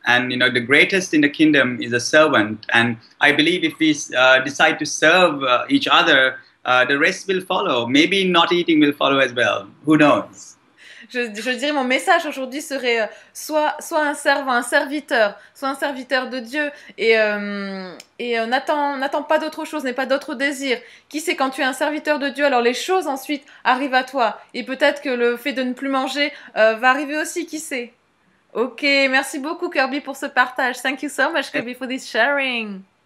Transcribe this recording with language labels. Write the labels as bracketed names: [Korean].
[English] And you know, the greatest in the kingdom is a servant. And I believe if we decide to serve each other, the rest will follow. Maybe not eating will follow as well. Who knows? [French] Je dirais mon message aujourd'hui serait soit un servant, un serviteur, soit un serviteur de Dieu et n'attends pas d'autre chose, n'aie pas d'autre désir. Qui sait, quand tu es un serviteur de Dieu, alors les choses ensuite arrivent à toi. Et peut-être que le fait de ne plus manger va arriver aussi, qui sait. Ok, merci beaucoup Kirby pour ce partage. [English] Thank you so much Kirby for this sharing.